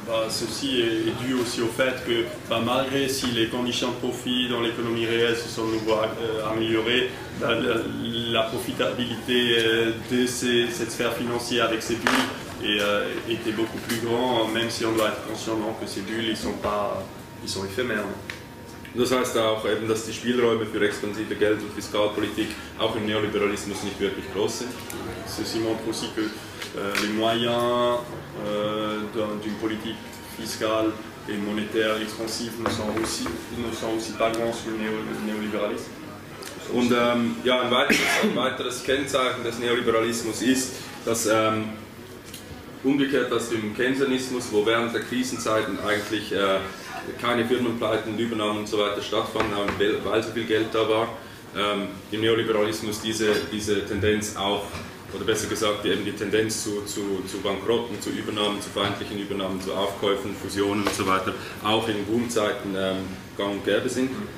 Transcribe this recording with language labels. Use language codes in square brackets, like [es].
[fr] Ceci est dû aussi au fait que, malgré si les conditions de profit dans l'économie réelle se sont nouveau améliorées, la profitabilité de cette sphère financière avec ces bulles était beaucoup plus grande, même si on doit être conscient que ces bulles ils sont éphémères. [de] Das heißt auch eben, dass die Spielräume für expansive Geld- und Fiskalpolitik auch im Neoliberalismus nicht wirklich groß sind. [fr] Ceci montre aussi que les moyens d'une politique fiscale et monétaire expansive ne sont aussi pas grands sous le néolibéralisme. [de] Und ja, ein weiteres Kennzeichen des Neoliberalismus ist, dass umgekehrt als dem Keynesianismus, wo während der Krisenzeiten eigentlich keine Firmenpleiten, Übernahmen und so weiter stattfanden, haben, weil so viel Geld da war, im Neoliberalismus diese Tendenz auch, oder besser gesagt, eben die Tendenz zu Bankrotten, zu Übernahmen, zu feindlichen Übernahmen, zu Aufkäufen, Fusionen und so weiter, auch in Boomzeiten gang und gäbe sind.